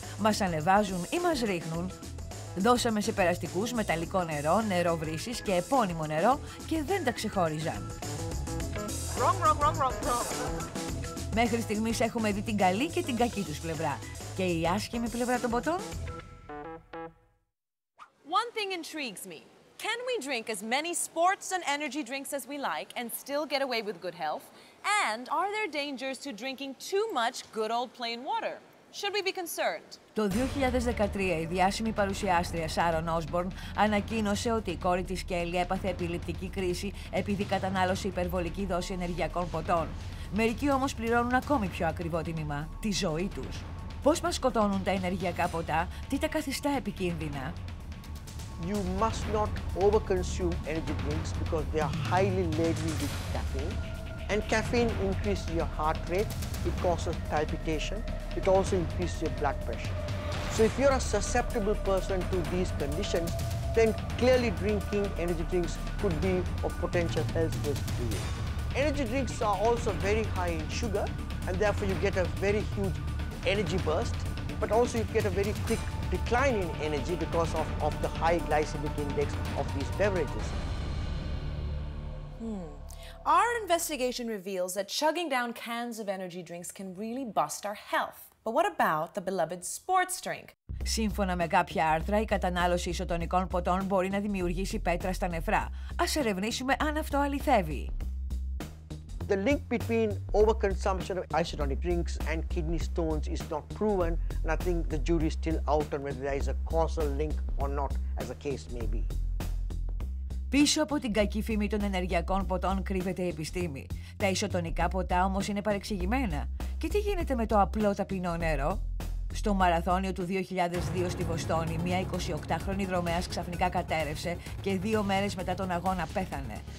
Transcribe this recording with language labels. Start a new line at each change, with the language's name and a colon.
Greek: Μας ανεβάζουν ή μας ρίχνουν. Δώσαμε σε περαστικούς μεταλλικό νερό, νερό βρύσης και επώνυμο νερό και δεν τα ξεχώριζαν.
English: Wrong.
Greek: Μέχρι στιγμής έχουμε δει την καλή και την κακή τους πλευρά. Και η άσχημη πλευρά των ποτών.
English: One thing intrigues me. Can we drink as many sports and energy drinks as we like and still get away with good health? And are there dangers to drinking too much good old plain water? Should we be concerned?
Greek: Το 2013, η διάσημη παρουσιάστρια Σάρων Όσμπορν ανακοίνωσε ότι η κόρη της Κέλλη έπαθε επιληπτική κρίση επειδή κατανάλωσε υπερβολική δόση ενεργειακών ποτών. Μερικοί όμως πληρώνουν ακόμη πιο ακριβό τίμημα, τη ζωή τους. Πώς μας σκοτώνουν τα ενεργειακά ποτά, τι τα καθιστά επικίνδυνα?
English: You must not overconsume energy drinks because they are highly laden with caffeine. And caffeine increases your heart rate, it causes palpitation, it also increases your blood pressure. So if you're a susceptible person to these conditions, then clearly drinking energy drinks could be a potential health risk to you. Energy drinks are also very high in sugar, and therefore you get a very huge energy burst, but also you get a very quick decline in energy because of the high glycemic index of these beverages. Our investigation reveals that chugging down cans of energy drinks can really bust our health. But what about the beloved sports drink?
Greek: Σύμφωνα με κάποια άρθρα, η κατανάλωση ισοτονικών ποτών μπορεί να δημιουργήσει πέτρα στα νεφρά. Ας ερευνήσουμε αν αυτό αληθεύει.
English: The link between overconsumption of isotonic drinks and kidney stones is not proven, and I think the jury is still out on whether there is a causal link or not, as the case may be.
Greek: Πίσω από την κακή φήμη των ενεργειακών ποτών κρύβεται η επιστήμη. Τα ισοτονικά ποτά όμως είναι παρεξηγημένα. Και τι γίνεται με το απλό ταπεινό νερό? Στο μαραθώνιο του 2002 στη Βοστόνη, μια 28χρονη δρομέας ξαφνικά κατέρευσε και δύο μέρες μετά τον αγώνα πέθανε.